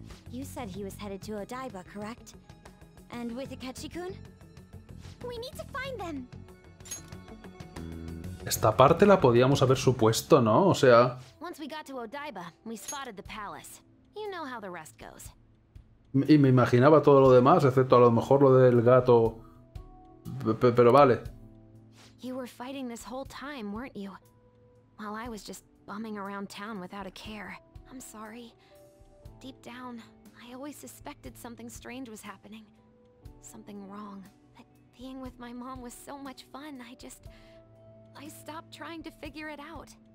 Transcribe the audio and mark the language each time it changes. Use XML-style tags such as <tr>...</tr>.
<en>You said he was headed to Odaiba, correct? And with Akechi-kun? We need to find them!</en> <es>Esta parte la podíamos haber supuesto, ¿no? O sea...</es> <en>Once we got to Odaiba, we spotted the palace. You know how the rest goes.</en> <es>Y me imaginaba todo lo demás, excepto a lo mejor lo del gato... Pero vale.</es> <en>You were fighting this whole time, weren't you? While I was just bumming around town without a care. I'm sorry. Deep down, I always suspected something strange was happening. Something wrong. But being with my mom was so much fun, I just... I stopped trying to figure it out.</en>